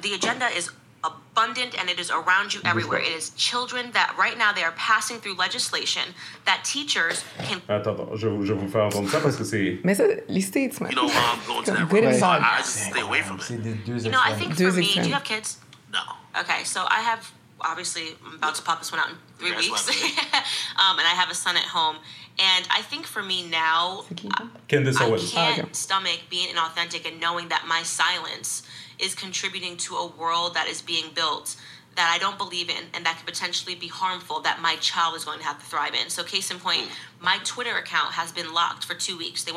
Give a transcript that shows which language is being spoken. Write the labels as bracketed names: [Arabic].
[English] The agenda is abundant and it is around you everywhere. It is children that right now they are passing through legislation that teachers can. [French] Attends, je vous fais entendre ça parce que c'est. Mais ça, les states, man. [English] You know, I'm going to that. Right. I just stay away from it. You know, I think for me, do you have kids? No. Okay, so I have obviously I'm about to pop this one out in 3 weeks, and I have a son at home. And I think for me now, I can't stomach being inauthentic and knowing that my silence is contributing to a world that is being built that I don't believe in and that could potentially be harmful that my child is going to have to thrive in. So case in point, my Twitter account has been locked for 2 weeks.